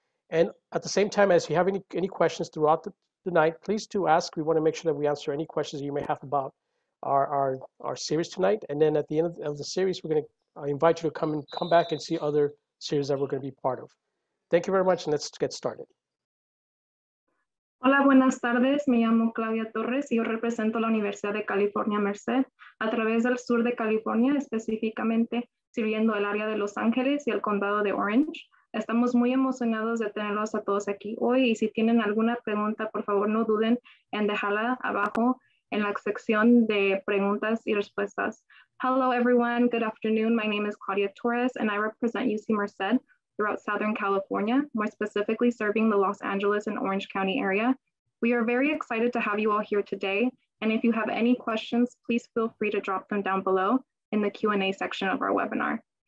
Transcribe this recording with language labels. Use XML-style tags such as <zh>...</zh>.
<en>And at the same time, as you have any questions throughout the night, please do ask. We want to make sure that we answer any questions you may have about our series tonight. And then at the end of the series, we're going to invite you to come and come back and see other series that we're going to be part of. Thank you very much, and let's get started.</en> <es>Hola, buenas tardes. Me llamo Claudia Torres y yo represento la Universidad de California Merced a través del sur de California, específicamente sirviendo el área de Los Ángeles y el condado de Orange. Estamos muy emocionados de tenerlos a todos aquí hoy y si tienen alguna pregunta, por favor, no duden en dejarla abajo en la sección de preguntas y respuestas.</es> <en>Hello, everyone. Good afternoon. My name is Claudia Torres and I represent UC Merced throughout Southern California, more specifically serving the Los Angeles and Orange County area. We are very excited to have you all here today. And if you have any questions, please feel free to drop them down below in the Q&A section of our webinar.</en>